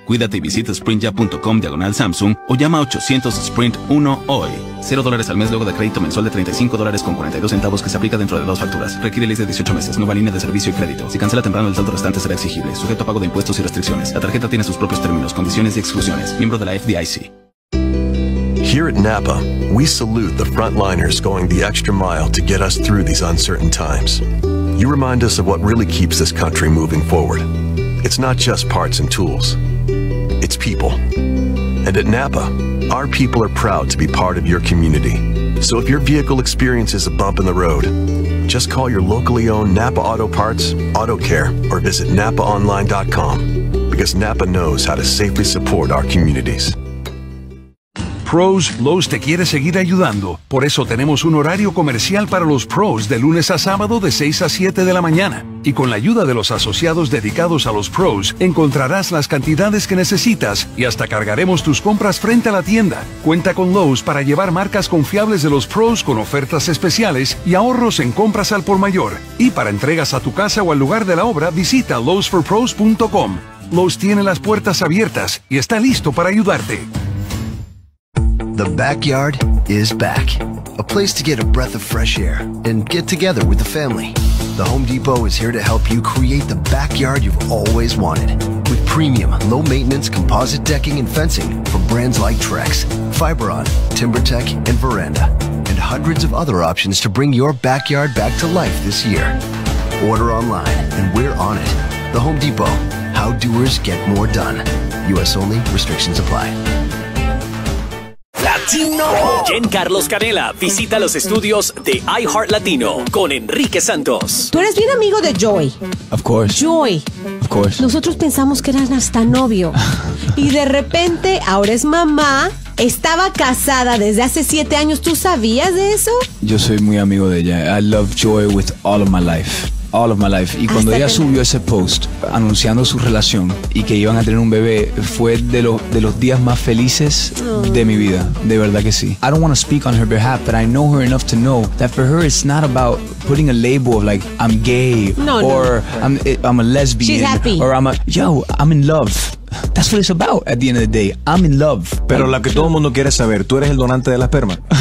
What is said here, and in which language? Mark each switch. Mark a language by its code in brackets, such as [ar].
[es] Cuídate y visita Sprinja.com/Samsung o llama 800-SPRINT-1 hoy. $0 al mes luego de crédito mensual de $35.42 que se aplica dentro de dos facturas. Requiere lease de 18 meses, nueva línea de servicio y crédito. Si cancela temprano, el saldo restante será exigible, sujeto a pago de impuestos y restricciones. La tarjeta tiene sus propios términos, condiciones y exclusiones. Miembro de la FDIC. [en] Here at Napa, we salute the frontliners going the extra mile to get us through these uncertain times. You remind us of what really keeps this country moving forward. It's not just parts and tools. It's people. And at Napa, our people are proud to be part of your community. So if your vehicle experiences a bump in the road, just call your locally owned Napa Auto Parts, Auto Care, or visit NapaOnline.com. Because Napa knows how to safely support our communities. [es] Pros, Lowe's te quiere seguir ayudando. Por eso tenemos un horario comercial para los pros de lunes a sábado de 6 a 7 de la mañana. Y con la ayuda de los asociados dedicados a los pros, encontrarás las cantidades que necesitas y hasta cargaremos tus compras frente a la tienda. Cuenta con Lowe's para llevar marcas confiables de los pros con ofertas especiales y ahorros en compras al por mayor. Y para entregas a tu casa o al lugar de la obra, visita lowesforpros.com. Lowe's tiene las puertas abiertas y está listo para ayudarte. [en] The backyard is back. A place to get a breath of fresh air and get together with the family. The Home Depot is here to help you create the backyard you've always wanted. With premium, low-maintenance composite decking and fencing from brands like Trex, Fiberon, TimberTech, and Veranda. And hundreds of other options to bring your backyard back to life this year. Order online and we're on it. The Home Depot. How doers get more done. U.S. only. Restrictions apply. [es] Latino. Jen Carlos Canela visita los estudios de iHeart Latino con Enrique Santos. Tú eres bien amigo de Joy. [en] Of course. Joy. Of course. [es] Nosotros pensamos que eran hasta novio. Y de repente, ahora es mamá. Estaba casada desde hace 7 años. ¿Tú sabías de eso? Yo soy muy amigo de ella. [en] I love Joy with all of my life. All of my life. [es] Y cuando ella subió ese post anunciando su relación y que iban a tener un bebé, fue de los días más felices de mi vida. De verdad que sí. [en] I don't want to speak on her behalf, but I know her enough to know that for her it's not about putting a label of like I'm gay I'm a lesbian. She's happy. I'm in love. That's what it's about at the end of the day. I'm in love. [es] Pero lo que todo el mundo quiere saber, ¿tú eres el donante de la esperma?